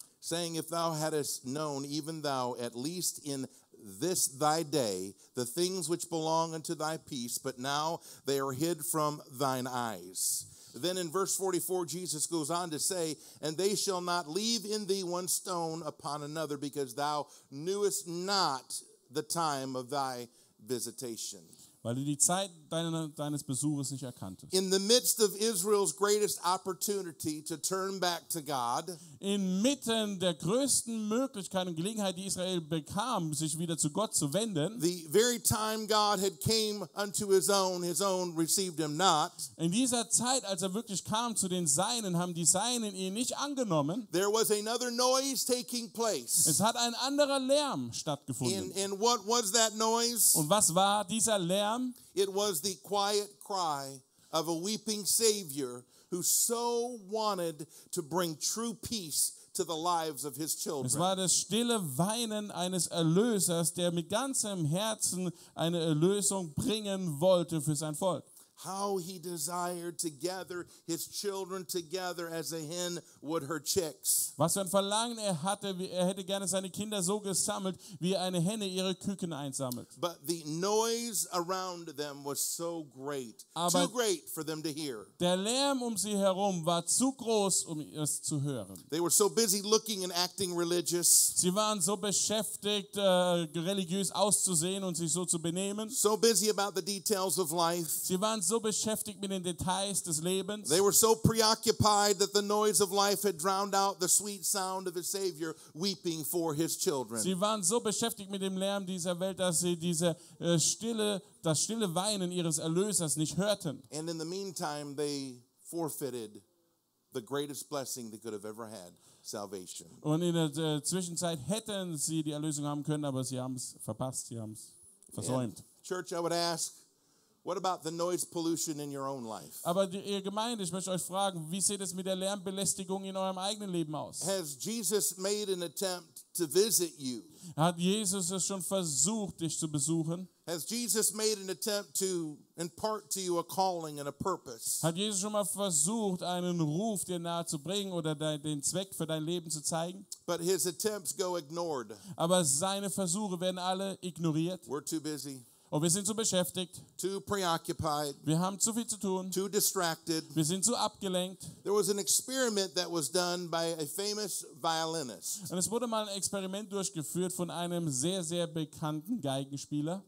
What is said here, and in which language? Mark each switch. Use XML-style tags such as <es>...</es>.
<en>Saying, if thou hadst known, even thou, at least in this thy day, the things which belong unto thy peace, but now they are hid from thine eyes. Then in verse 44, Jesus goes on to say, and they shall not leave in thee one stone upon another, because thou knewest not the time of thy visitation.</en> <de>Weil du die Zeit deines Besuches nicht erkanntest.</de> <en>In the midst of Israel's greatest opportunity to turn back to God,</en> <de>inmitten der größten Möglichkeit und Gelegenheit, die Israel bekam, sich wieder zu Gott zu wenden,</de> <en>the very time God had came unto his own received him not.</en> <de>In dieser Zeit, als er wirklich kam zu den Seinen, haben die Seinen ihn nicht angenommen.</de> <en>There was another noise taking place.</en> <de>Es hat ein anderer Lärm stattgefunden.</de> <en>And what was that noise?</en> <de>Und was war dieser Lärm?</de> <en>It was the quiet cry of a weeping Savior who so wanted to bring true peace to the lives of his children.</en> <de>Es war das stille Weinen eines Erlösers, der mit ganzem Herzen eine Erlösung bringen wollte für sein Volk.</de> <en>how he desired to gather his children together as a hen would her chicks.</en> <de>Was für ein Verlangen er hatte, er hätte gerne seine Kinder so gesammelt, wie eine Henne ihre Küken einsammelt.</de> <en>But the noise around them was so great, too great for them to hear.</en> <de>Der Lärm um sie herum war zu groß, um es zu hören.</de> <en>They were so busy looking and acting religious.</en> <de>Sie waren so beschäftigt, religiös auszusehen und sich so zu benehmen.</de> <en>So busy about the details of life.</en> <de>Sie waren so beschäftigt mit den Details des Lebens.</de> <en>They were so preoccupied that the noise of life had drowned out the sweet sound of his Savior weeping for his children.</en> <de>Sie waren so beschäftigt mit dem Lärm dieser Welt, dass sie diese Stille, das stille Weinen ihres Erlösers nicht hörten.</de> <en>And in the meantime, they forfeited the greatest blessing they could have ever had, salvation.</en> <de>Und in der Zwischenzeit hätten sie die Erlösung haben können, aber sie haben es verpasst, sie haben es versäumt.</de> <en>And church, I would ask, what about the noise pollution in your own life?</en> <de>Aber ihr Gemeinde, ich möchte euch fragen, wie sieht es mit der Lärmbelästigung in eurem eigenen Leben aus?</de> <en>Has Jesus made an attempt to visit you?</en> <de>Hat Jesus es schon versucht, dich zu besuchen?</de> <en>Has Jesus made an attempt to impart to you a calling and a purpose?</en> <de>Hat Jesus schon mal versucht, einen Ruf dir nahe zu bringen oder den Zweck für dein Leben zu zeigen?</de> <en>But his attempts go ignored.</en> <de>Aber seine Versuche werden alle ignoriert.</de> <en>We're too busy.</en> <de>Und wir sind zu beschäftigt.</de> <en>Too preoccupied.</en> <de>Wir haben zu viel zu tun.</de> <en>Too distracted.</en> <de>Wir sind zu abgelenkt.</de> <en>There was an experiment that was done by a famous violinist.</en> <de>Und es wurde mal ein Experiment durchgeführt von einem sehr, sehr bekannten Geigenspieler.</de>